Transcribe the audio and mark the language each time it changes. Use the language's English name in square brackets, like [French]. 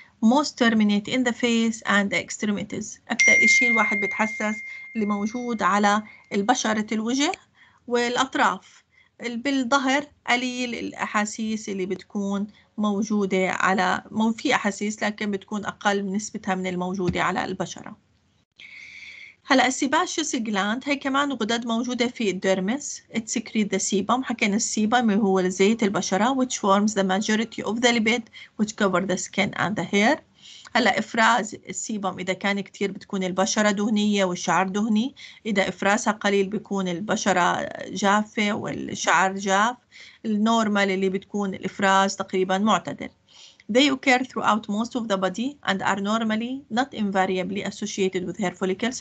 [English] Most terminate in the face and the extremities. [Arabic] أكثر إشي الواحد بتحسس اللي موجود على البشرة الوجه والأطراف. بالظهر قليل الأحاسيس اللي بتكون موجودة على مو في أحاسيس لكن بتكون أقل نسبتها من الموجودة على البشرة. هلا السيباشيوس جلاند هي كمان غدد موجوده في الديرمس. [English] It secretes the sebum. [Arabic] حكينا السيبم هو زيت البشره [English] which forms the majority of the lipid which cover the skin and the hair. [Arabic] هلا افراز السيبم اذا كان كتير بتكون البشره دهنيه والشعر دهني، اذا افرازها قليل بيكون البشره جافه والشعر جاف. النورمال اللي بتكون الافراز تقريبا معتدل. [English] They occur throughout most of the body and are normally not invariably associated with hair follicles.